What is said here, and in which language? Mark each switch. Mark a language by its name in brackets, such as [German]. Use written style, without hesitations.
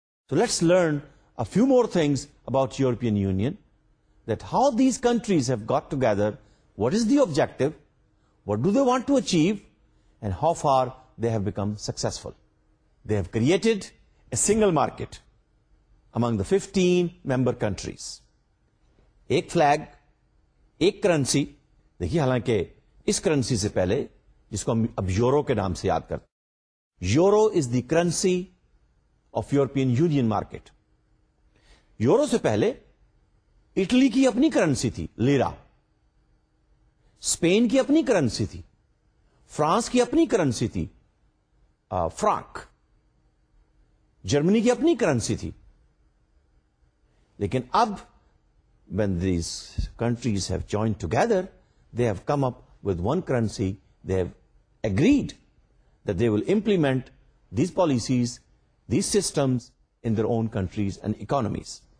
[English] So let's learn a few more things about European Union, that how these countries have got together, what is the objective, what do they want to achieve, and how far they have become successful. They have created a single market among the 15 member countries. [Urdu] ایک flag, ایک currency. دیکھیے حالانکہ اس currency سے پہلے, جس کو ہم اب یورو کے نام سے یاد کرتے ہیں, [English] Euro is the currency of European Union market. [Urdu] Euro سے پہلے اٹلی کی اپنی کرنسی تھی لیرا, اسپین کی اپنی کرنسی تھی, فرانس کی اپنی کرنسی تھی فرانک, جرمنی کی اپنی کرنسی تھی. لیکن اب [English] when these countries have joined together, they have come up with one currency, they have agreed that they will implement these policies, these systems in their own countries and economies.